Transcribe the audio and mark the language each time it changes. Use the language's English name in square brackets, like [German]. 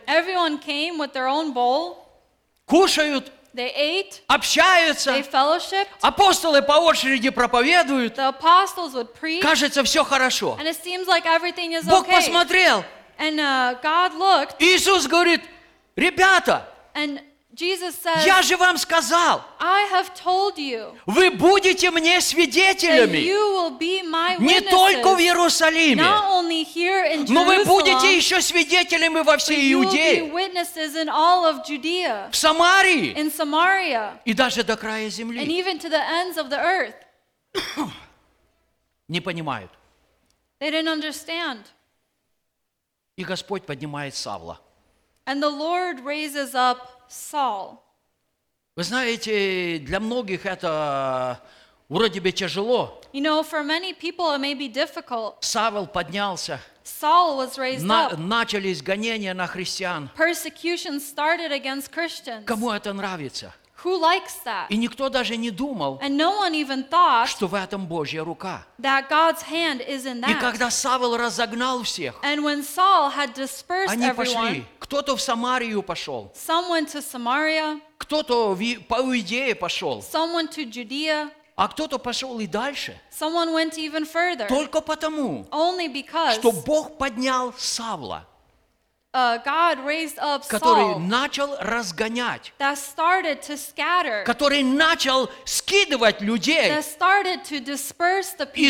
[English] Everyone came with their own bowl. [Russian] Кушают. [English] They ate. [Russian] Общаются. [English] They fellowshiped. [Russian] Апостолы по очереди проповедуют. [English] The apostles would preach. [Russian] Кажется, все хорошо. [English] And it seems like everything is [Russian] Бог [English] okay. [Russian] Посмотрел. [English] And, God looked. [Russian] Иисус говорит, ребята, [English] and Jesus says, [Russian] я же вам сказал, [English] I have told you, [Russian] вы будете мне свидетелями [English] you will be my [Russian] не только в Иерусалиме, [English] not only here in [Russian] но вы будете еще свидетелями во всей Иудее, [English] you will be witnesses in all of Judea, [Russian] в Самарии [English] in Samaria, [Russian] и даже до края земли. [English] And even to the ends of the earth. [Russian] Не понимают. [English] They didn't understand. [Russian] И Господь поднимает Савла. [English] And the Lord raises up Saul. [Russian] Вы знаете, для многих это вроде бы тяжело. [English] You know, for many people it may be difficult. [Russian] Савл поднялся. [English] Saul was raised up. [Russian] Начались гонения на христиан. [English] Persecution started against Christians. [Russian] Кому это нравится? [English] Who likes that? [Russian] И никто даже не думал, [English] and no one even thought, [Russian] что в этом Божья рука. [English] That God's hand is in that. [Russian] И когда Савл разогнал всех, [English] and when Saul had dispersed [Russian] они пошли. [English] Everyone, [Russian] кто-то в Самарию пошел. [English] Some went to Samaria. [Russian] Кто-то по Иудее пошел. [English] Some went to Judea. [Russian] А кто-то пошел и дальше. [English] Someone went even further. [Russian] Только потому, [English] only because, [Russian] что Бог поднял Савла. [English] God raised up Saul, [Russian] который начал разгонять, [English] that started to scatter, [Russian] который начал скидывать людей, [English] that started to disperse the people,